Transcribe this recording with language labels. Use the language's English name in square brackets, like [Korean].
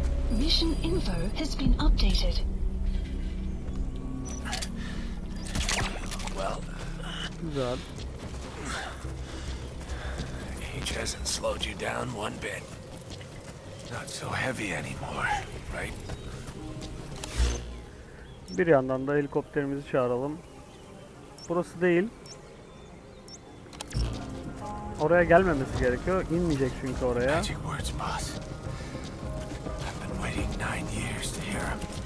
[English] Mission info has been updated. Well, God. Age hasn't slowed you down one bit. Not so heavy anymore, right? [Turkish] Bir yandan da helikopterimizi çağıralım. Burası değil. Oraya gelmemesi gerekiyor. İnmeyecek çünkü oraya. [English] Magic words, boss. I've been waiting 9 years to hear him.